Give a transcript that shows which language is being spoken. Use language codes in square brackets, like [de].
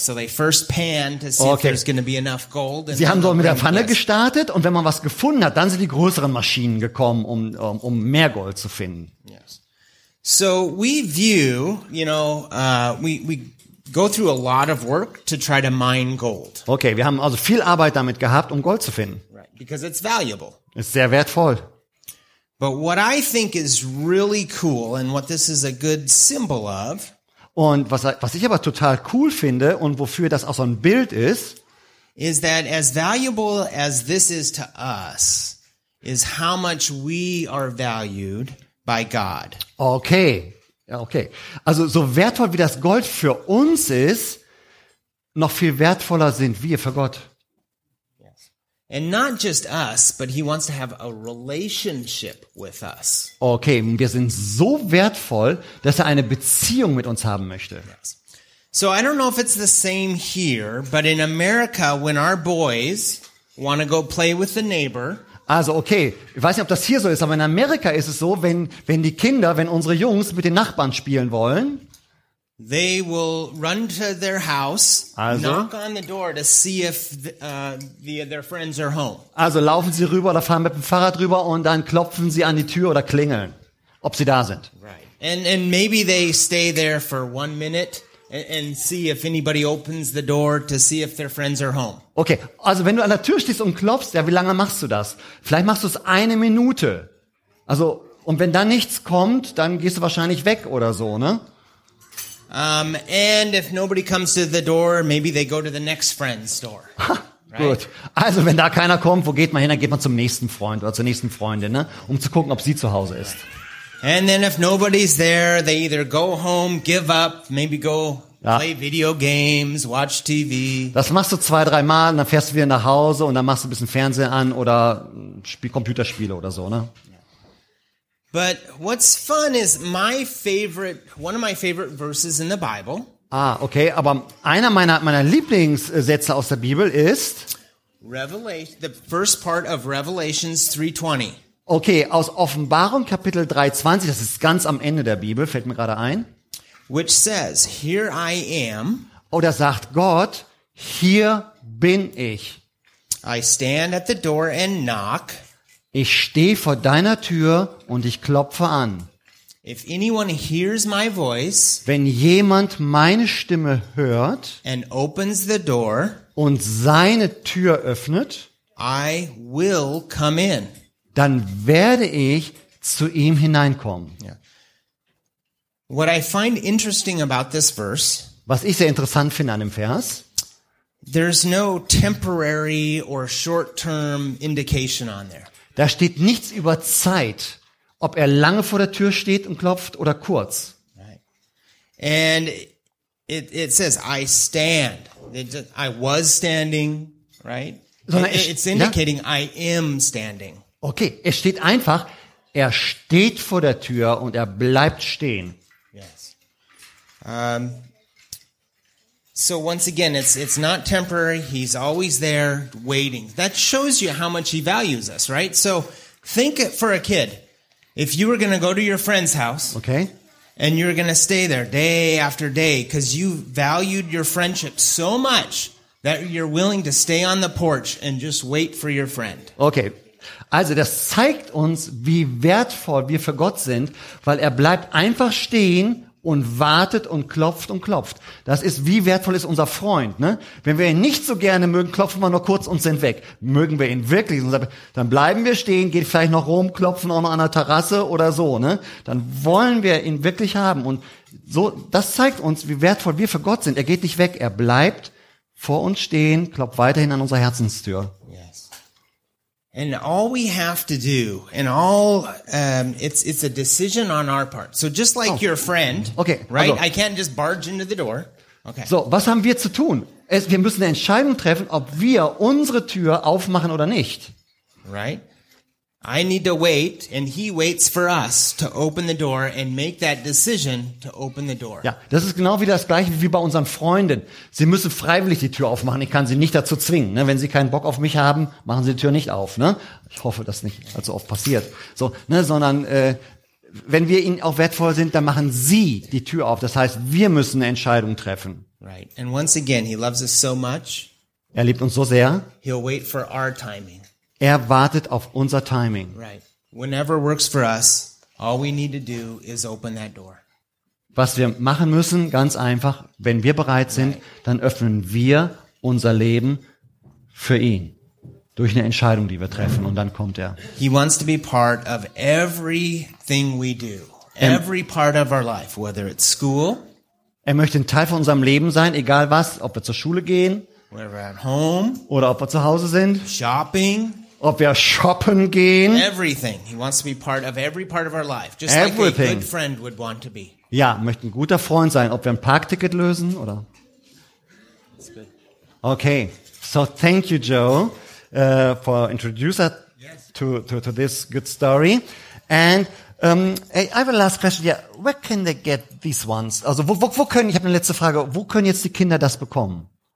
[en] So they first pan to see okay. if there's going to be enough gold. [de] Sie haben so mit der Pfanne gestartet und wenn man was gefunden hat, dann sind die größeren Maschinen gekommen, um mehr Gold zu finden. Yes. [en] So we view, you know, we go through a lot of work to try to mine gold. [de] Okay, wir haben also viel Arbeit damit gehabt, um Gold zu finden. [en] Right, because it's valuable. [de] Ist sehr wertvoll. [en] But what I think is really cool and what this is a good symbol of. [de] Und was ich aber total cool finde und wofür das auch so ein Bild ist, [en] is that as valuable as this is to us, is how much we are valued by God. Okay. Ja, okay. [de] Also so wertvoll wie das Gold für uns ist, noch viel wertvoller sind wir für Gott. Yes. [en] And not just us, but he wants to have a relationship with us. [de] Okay, wir sind so wertvoll, dass er eine Beziehung mit uns haben möchte. Yes. [en] So I don't know if it's the same here, but in America when our boys want to go play with the neighbor, [de] also okay, ich weiß nicht, ob das hier so ist, aber in Amerika ist es so, wenn die Kinder, wenn unsere Jungs mit den Nachbarn spielen wollen, [en] they will run to their house, also, knock on the door to see if their friends are home. [de] Also laufen sie rüber oder fahren mit dem Fahrrad rüber und dann klopfen sie an die Tür oder klingeln, ob sie da sind. Right. [en] And maybe they stay there for one minute. And see if anybody opens the door to see if their friends are home. [de] Okay, also wenn du an der Tür stehst und klopfst, ja, wie lange machst du das? Vielleicht machst du es eine Minute. Also, und wenn da nichts kommt, dann gehst du wahrscheinlich weg oder so, ne? [en] And if nobody comes to the door, maybe they go to the next friend's door. [de] Gut. Also, wenn da keiner kommt, wo geht man hin? Dann geht man zum nächsten Freund oder zur nächsten Freundin, ne? Um zu gucken, ob sie zu Hause ist. [en] And then if nobody's there, they either go home, give up, maybe go play video games, watch TV. [de] Das machst du 2-3 Mal, und dann fährst du wieder nach Hause und dann machst du ein bisschen Fernsehen an oder spiel Computerspiele oder so, ne? [en] But what's fun is one of my favorite verses in the Bible. [de] Ah, okay, aber einer meiner Lieblingssätze aus der Bibel ist [en] The first part of Revelations 3:20. [de] Okay, aus Offenbarung Kapitel 3:20, das ist ganz am Ende der Bibel, fällt mir gerade ein. [en] Which says, here I am. [de] Oder sagt Gott, hier bin ich. [en] I stand at the door and knock. [de] Ich stehe vor deiner Tür und ich klopfe an. [en] If anyone hears my voice, [de] wenn jemand meine Stimme hört [en] and opens the door, [de] und seine Tür öffnet, [en] I will come in. [de] Dann werde ich zu ihm hineinkommen. Yeah. [en] What I find interesting about this verse, [de] was ich sehr interessant finde an dem Vers, [en] there's no temporary or short-term indication on there. [de] Da steht nichts über Zeit, ob er lange vor der Tür steht und klopft oder kurz. [en] Right. And it says I stand. I was standing, right? It's indicating, ja? I am standing. [de] Okay, es steht einfach, er steht vor der Tür und er bleibt stehen. Yes. [en] So once again, it's not temporary. He's always there waiting. That shows you how much he values us, right? So think for a kid. If you were going to go to your friend's house, okay, and you're going to stay there day after day because you valued your friendship so much that you're willing to stay on the porch and just wait for your friend. Okay. [de] Also das zeigt uns, wie wertvoll wir für Gott sind, weil er bleibt einfach stehen und wartet und klopft und klopft. Das ist, wie wertvoll ist unser Freund, ne? Wenn wir ihn nicht so gerne mögen, klopfen wir nur kurz und sind weg. Mögen wir ihn wirklich, dann bleiben wir stehen, gehen vielleicht noch rum, klopfen auch noch an der Terrasse oder so, ne? Dann wollen wir ihn wirklich haben. Und so, das zeigt uns, wie wertvoll wir für Gott sind. Er geht nicht weg, er bleibt vor uns stehen, klopft weiterhin an unserer Herzenstür. [en] And all we have to do, and all it's a decision on our part. So just like your friend, okay, right? Also, I can't just barge into the door. [de] Okay. So, was haben wir zu tun? Wir müssen eine Entscheidung treffen, ob wir unsere Tür aufmachen oder nicht. Right? [en] I need to wait, and he waits for us to open the door and make that decision to open the door. [de] Ja, das ist genau wieder das Gleiche wie bei unseren Freunden. Sie müssen freiwillig die Tür aufmachen. Ich kann sie nicht dazu zwingen. Ne? Wenn sie keinen Bock auf mich haben, machen sie die Tür nicht auf. Ne? Ich hoffe, das nicht allzu oft passiert. So, ne? Sondern wenn wir ihnen auch wertvoll sind, dann machen sie die Tür auf. Das heißt, wir müssen eine Entscheidung treffen. Right. [en] And once again, he loves us so much. [de] Er liebt uns so sehr. [en] He'll wait for our timing. [de] Er wartet auf unser Timing. Right. [en] Whenever works for us, all we need to do is open that door. [de] Was wir machen müssen, ganz einfach, wenn wir bereit sind, right, dann öffnen wir unser Leben für ihn. Durch eine Entscheidung, die wir treffen, und dann kommt er. [en] He wants to be part of everything we do. Every part of our life, whether it's school. [de] Er möchte ein Teil von unserem Leben sein, egal was, ob wir zur Schule gehen, [en] whether at home, [de] oder ob wir zu Hause sind, [en] shopping. [de] Ob wir shoppen gehen. [en] Everything. He wants to be part of every part of our life. Just everything. Like a good friend would want to be. [de] Ja, möchte ein guter Freund sein. Ob wir ein Parkticket lösen oder? [en] That's good. Okay. So thank you, Joe, for introducing to this good story. And I have a last question. Yeah, where can they get these ones? [de] Also wo können, ich habe eine letzte Frage. Wo können jetzt die Kinder das bekommen?